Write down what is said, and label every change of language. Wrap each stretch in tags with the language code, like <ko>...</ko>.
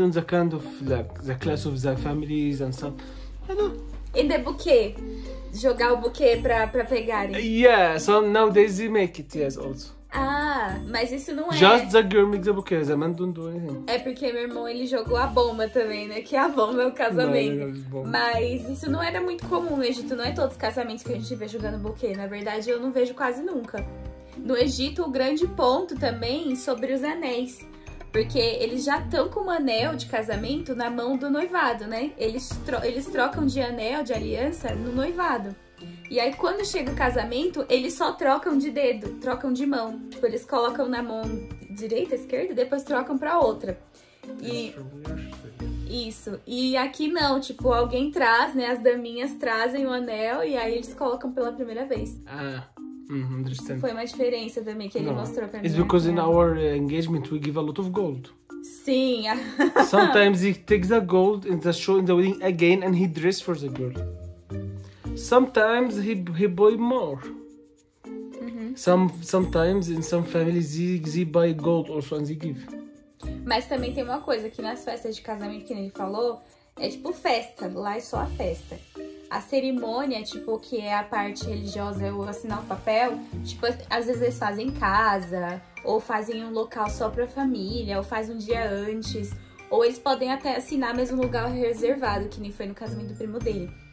<en>on the kind of, like, the class of the families and stuff. I don't know. In the bouquet,</en> <pt>jogar o buquê pra pegarem.</pt> <en>Yeah, so nowadays they make it, yes, also.</en> <pt>Ah, mas isso não é.</pt> <en>Just the girl makes the bouquet, the man don't do anything.</en> <pt>É porque meu irmão, ele jogou a bomba também, né? Que a bomba é o casamento. Mas isso não era muito comum no Egito, não é todos os casamentos que a gente vê jogando buquê. Na verdade, eu não vejo quase nunca. No Egito, o grande ponto também sobre os anéis. Porque eles já estão com um anel de casamento na mão do noivado, né? Eles trocam de anel, de aliança, no noivado. E aí, quando chega o casamento, eles só trocam de dedo, trocam de mão. Tipo, eles colocam na mão direita, esquerda, e depois trocam pra outra. E... isso. E aqui não, tipo, alguém traz, né? As daminhas trazem o anel e aí eles colocam pela primeira vez.</pt> <en>Ah... understand.</en> <pt>Foi uma diferença também que ele mostrou pra mim.</pt> <en>It's because in our engagement we give a lot of gold.</en> <pt>Sim.</pt> <en>Sometimes he takes the gold in the show in the wedding again and he dresses for the girl. Sometimes he buy more. Mm-hmm. Sometimes in some families he buy gold also and they give.</en> <pt>Mas também tem uma coisa que nas festas de casamento que ele falou é tipo festa, lá é só a festa. A cerimônia, tipo, que é a parte religiosa, eu assinar o papel, tipo, às vezes eles fazem em casa, ou fazem em um local só pra família, ou faz um dia antes, ou eles podem até assinar mesmo lugar reservado, que nem foi no casamento do primo dele.</pt>